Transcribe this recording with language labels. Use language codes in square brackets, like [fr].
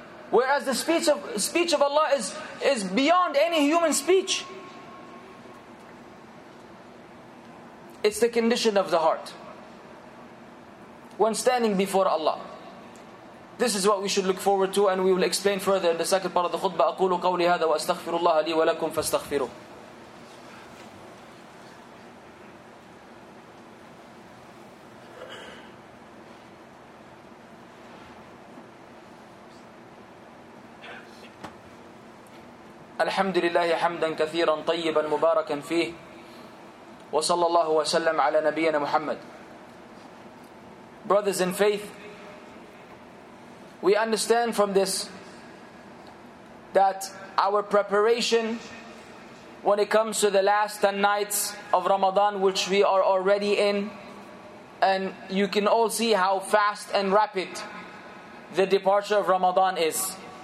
[en] Whereas the speech of Allah is beyond any human speech. It's the condition of the heart when standing before Allah. This is what we should look forward to, and we will explain further in the second part of the khutbah. [ar] أقول قولي هذا وأستغفر الله لي ولكم فاستغفروا. الحمد لله حمدا كثيرا طيبا مباركا فيه وصلى الله وسلم على نبينا محمد. [en] Brothers in faith, we understand from this that our preparation when it comes to the last 10 nights of Ramadan, which we are already in, and you can all see how fast and rapid the departure of Ramadan is.